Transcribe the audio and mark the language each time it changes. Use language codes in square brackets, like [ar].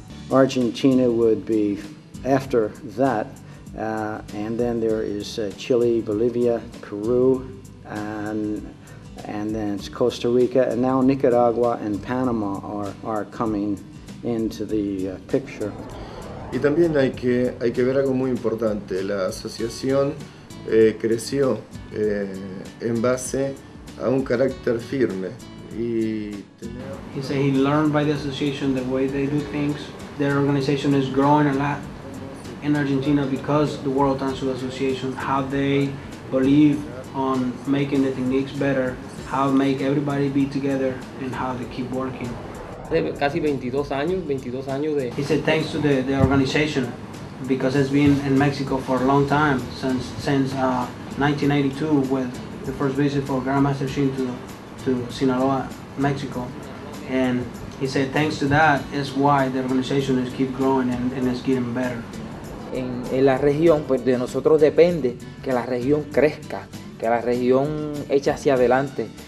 [en] Argentina would be after that, and then there is Chile, Bolivia, Peru, and then it's Costa Rica, and now Nicaragua and Panama are coming into the picture. [es] Y también hay que ver algo muy importante. La asociación creció en base a un carácter firme. [en] He said he learned by the association the way they do things. Their organization is growing a lot in Argentina because the World Tang Soo-do Association, how they believe on making the techniques better, how make everybody be together, and how they keep working. [es] Casi 22 años, 22 años de... [en] He said thanks to the organization, because it's been in Mexico for a long time, since 1982, with the first visit for Grandmaster Shin to Sinaloa, Mexico. And he said thanks to that is why the organization is keep growing and it's getting better. [es] En la región, pues de nosotros depende que la región crezca, que la región eche hacia adelante.